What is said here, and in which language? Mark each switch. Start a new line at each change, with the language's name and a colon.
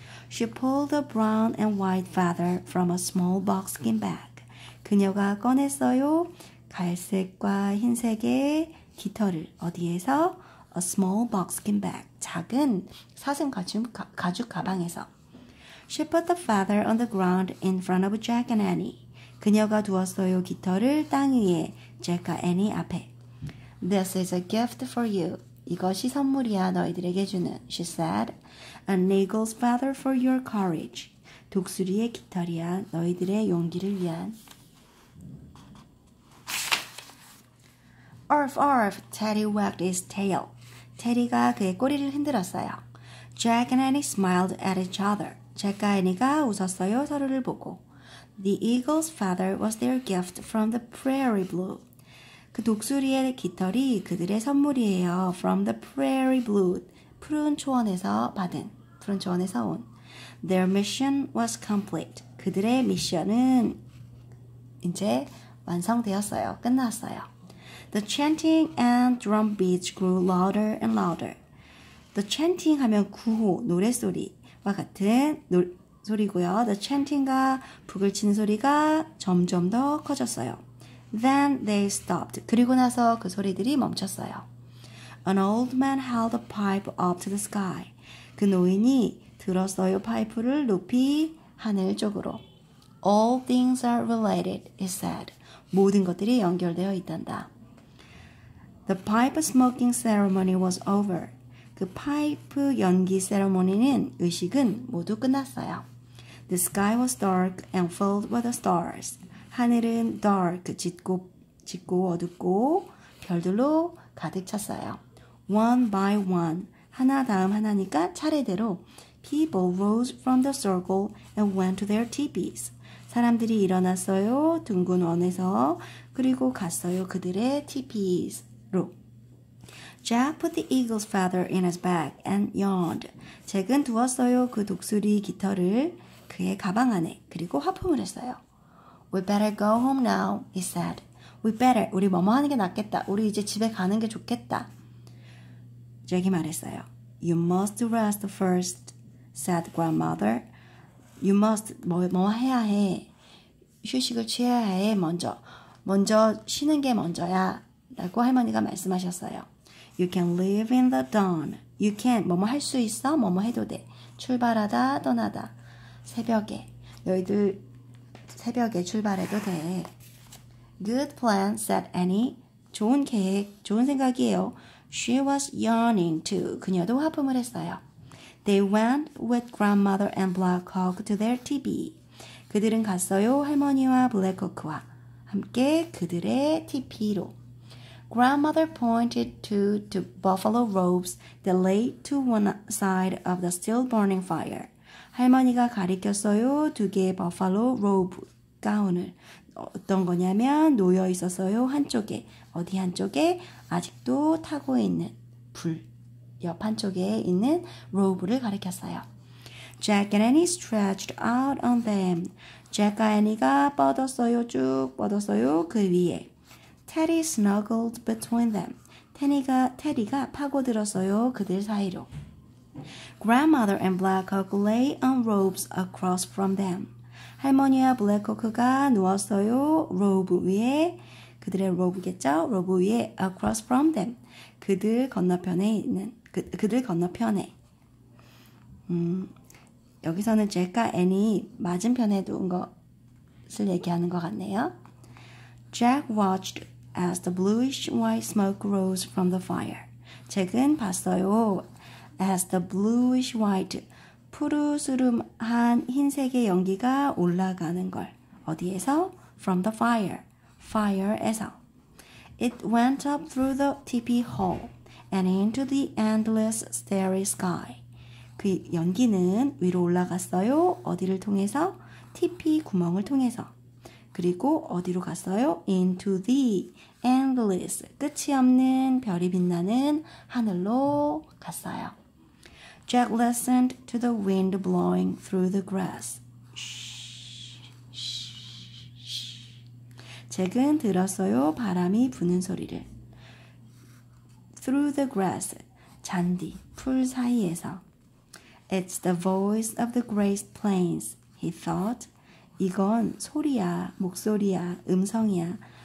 English: She pulled a brown and white feather from a small buckskin bag.
Korean: 그녀가 꺼냈어요. 갈색과 흰색의 깃털을 어디에서?
English: A small buckskin bag,
Korean: 작은 사슴 가죽 가방에서.
English: She put the feather on the ground in front of Jack and Annie.
Korean: 그녀가 두었어요 깃털을 땅 위에 잭과 애니 앞에.
English: This is a gift for you.
Korean: 이것이 선물이야 너희들에게 주는.
English: She said, an eagle's feather for your courage.
Korean: 독수리의 깃털이야 너희들의 용기를 위한.
English: Arf, arf, Teddy wagged his tail.
Korean: Teddy가 그의 꼬리를 흔들었어요.
English: Jack and Annie smiled at each other.
Korean: Jack과 Annie가 웃었어요, 서로를 보고.
English: The eagle's feather was their gift from the prairie blue.
Korean: 그 독수리의 깃털이 그들의 선물이에요.
English: From the prairie blue.
Korean: 푸른 초원에서 받은, 푸른 초원에서 온.
English: Their mission was complete.
Korean: 그들의 미션은 이제 완성되었어요, 끝났어요.
English: The chanting and drum beats grew louder and louder. The chanting
Korean: 하면 구호, 노래소리와 같은 소리고요. The chanting과 북을 치는 소리가 점점 더 커졌어요.
English: Then they stopped.
Korean: 그리고 나서 그 소리들이 멈췄어요.
English: An old man held a pipe up to the sky.
Korean: 그 노인이 들었어요 파이프를 높이 하늘 쪽으로.
English: All things are related, he said.
Korean: 모든 것들이 연결되어 있단다.
English: The pipe smoking ceremony was over.
Korean: 그 파이프 연기 세리머니는 의식은 모두 끝났어요.
English: The sky was dark and filled with the stars.
Korean: 하늘은 dark, 짙고 어둡고 별들로 가득 찼어요.
English: One by one,
Korean: 하나 다음 하나니까 차례대로
English: people rose from the circle and went to their teepees.
Korean: 사람들이 일어났어요, 둥근 원에서 그리고 갔어요 그들의 teepees.
English: Jack put the eagle's feather in his bag and yawned.
Korean: 잭은 두었어요 그 독수리 깃털을 그의 가방 안에 그리고 하품을 했어요.
English: We better go home now, he said. We better,
Korean: 우리 뭐뭐 하는 게 낫겠다. 우리 이제 집에 가는 게 좋겠다. 잭이 말했어요.
English: You must rest first, said grandmother. You must,
Korean: 뭐뭐 해야 해. 휴식을 취해야 해, 먼저. 먼저 쉬는 게 먼저야. 라고 할머니가 말씀하셨어요.
English: You can live in the dawn. You can
Korean: 뭐뭐 할 수 있어? 뭐뭐 해도 돼. 출발하다, 떠나다. 새벽에. 너희들 새벽에 출발해도 돼.
English: Good plan, said Annie.
Korean: 좋은 계획, 좋은 생각이에요.
English: She was yawning too.
Korean: 그녀도 화품을 했어요.
English: They went with grandmother and Black Hawk to their TV.
Korean: 그들은 갔어요. 할머니와 Black Hawk와 함께 그들의 TV로.
English: Grandmother pointed to buffalo robes that lay to one side of the still burning fire.
Korean: 할머니가 가리켰어요. 두 개의 buffalo robe 가운을. 어떤 거냐면 놓여 있었어요. 한쪽에. 어디 한쪽에? 아직도 타고 있는 불. 옆 한쪽에 있는 로브를 가리켰어요.
English: Jack and Annie stretched out on them.
Korean: Jack과 애니가 뻗었어요. 쭉 뻗었어요. 그 위에.
English: Teddy snuggled between them.
Korean: 테디가 파고들었어요. 그들 사이로.
English: Grandmother and Black Hawk lay on robes across from them.
Korean: 할머니와 Black Hawk가 누웠어요. 로브 위에. 그들의 로브겠죠? 로브 위에.
English: Across from them.
Korean: 그들 건너편에 있는. 그들 건너편에. 여기서는 잭과 애니 맞은편에 누운 것을 얘기하는 것 같네요.
English: Jack watched as the bluish white smoke rose from the fire.
Korean: 잭은 봤어요.
English: As the bluish white
Korean: 푸르스름한 흰색의 연기가 올라가는 걸. 어디에서?
English: From the fire.
Korean: Fire에서.
English: It went up through the teepee hole and into the endless starry sky.
Korean: 그 연기는 위로 올라갔어요. 어디를 통해서? 티피 구멍을 통해서. 그리고 어디로 갔어요?
English: Into the endless,
Korean: 끝이 없는 별이 빛나는 하늘로 갔어요.
English: Jack listened to the wind blowing through the grass.
Korean: 잭은 들었어요. 바람이 부는 소리를.
English: Through the grass,
Korean: 잔디, 풀 사이에서.
English: It's the voice of the great plains, he thought.
Korean: 이건 소리야, 목소리야, 음성이야.